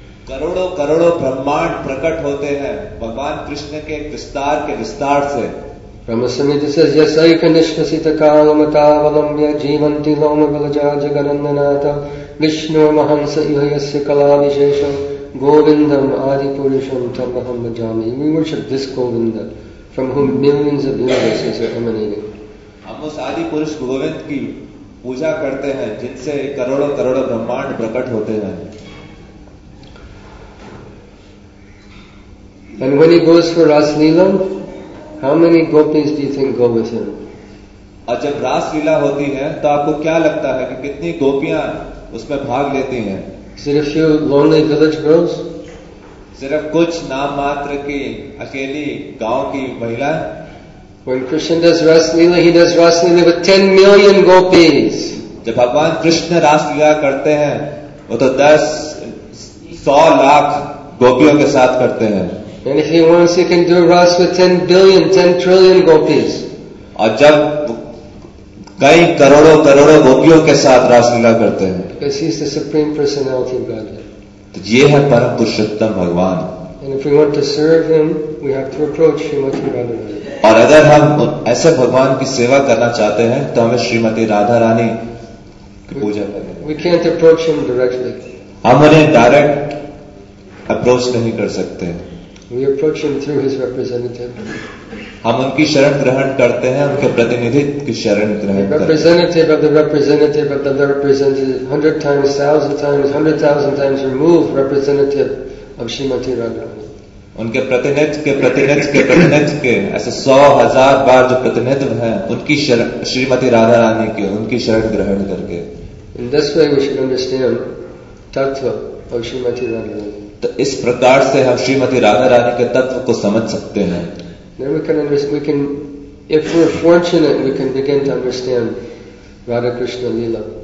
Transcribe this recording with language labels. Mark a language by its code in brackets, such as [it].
[hi] करोड़ों करोड़ों ब्रह्मांड प्रकट होते हैं भगवान कृष्ण के विस्तार के विस्तार से। [sa] ब्रह्मसमिति से यसै कनिष्ठ सित काल मतावलंब्य जीवंति लोम बलजा जगनंदनाथ विष्णु महंस इह यस्य कला विशेष गोविंदम आदि पुरुषम तम अहम जामि। [en] We worship this Govinda from whom millions of universes are emanating. [hi] हम उस आदि पुरुष गोविंद की पूजा करते हैं जिनसे करोड़ों करोड़ों ब्रह्मांड प्रकट होते हैं। [en] And when he goes for Ras Leela, how many gopis do you think go with him? [hi] और जब रास लीला होती है तो आपको क्या लगता है कि कितनी गोपियां उसमें भाग लेती हैं? [en] सिर्फ few lonely village girls? [hi] सिर्फ कुछ नाम मात्र की अकेली गांव की महिला? [en] When Krishna does Ras Leela, he does Ras Leela with 10 million gopis. [hi] जब भगवान कृष्ण रास लीला करते हैं वो तो 100 लाख गोपियों के साथ करते हैं। [en] And if he wants, he can do Ras with 10 billion, 10 trillion gopis. [hi] और जब कई करोड़ों करोड़ों गोपियों के साथ रासलीला करते हैं। [en] Because he is the supreme personality of Godhead. [hi] तो ये है परम पुरुषोत्तम भगवान। [en] And if we want to serve him, we have to approach Srimati Radha Rani. [hi] और अगर हम ऐसे भगवान की सेवा करना चाहते हैं, तो हमें श्रीमती राधा रानी की पूजा करनी [en] है। We can't approach him directly. [hi] हम उन्हें [en] direct approach [hi] नहीं कर सकते। [en] We approach him through his representative. [hi] हम उनकी शरण ग्रहण करते हैं उनके प्रतिनिधि की शरण ग्रहण करते हैं। [en] Representative of the representative of the representative, 100 times, 1,000 times, 100,000 times removed representative of Srimati Radha. [hi] उनके प्रतिनिधि के प्रतिनिधि के प्रतिनिधि के ऐसे 100,000 बार जो प्रतिनिधि हैं उनकी शरण श्रीमती राधा रानी की उनकी शरण ग्रहण करके। [en] In this way we should understand tattva of Srimati Radha. [hi] तो इस प्रकार से हम श्रीमती राधा रानी के तत्व को समझ सकते हैं। [en] Then we can understand, we can, if we're fortunate, we can begin to understand Radha Krishna Leela.